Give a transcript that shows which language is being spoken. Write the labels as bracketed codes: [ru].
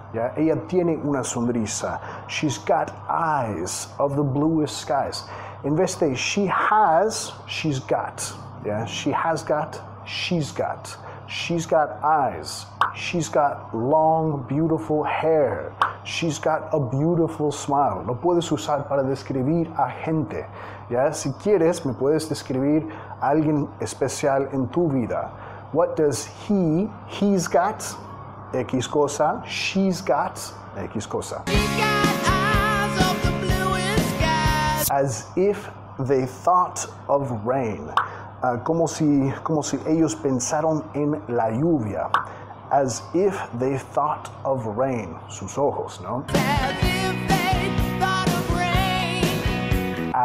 [es] Yeah, ella tiene una sonrisa. [en] She's got eyes of the bluest skies. [es] En vez de [en] she has, she's got. Yeah, she has got, she's got. She's got eyes. She's got long, beautiful hair. She's got a beautiful smile. [es] Lo puedes usar para describir a gente. Yeah, si quieres, me puedes describir a alguien especial en tu vida. [en] What does he's got? [es] X cosa, [en] she's got, X cosa. She's got eyes of the bluest skies. As if they thought of rain. [es] Como si ellos pensaron en la lluvia. [en] As if they thought of rain. [es] Sus ojos, ¿no? [en] As if they thought of rain.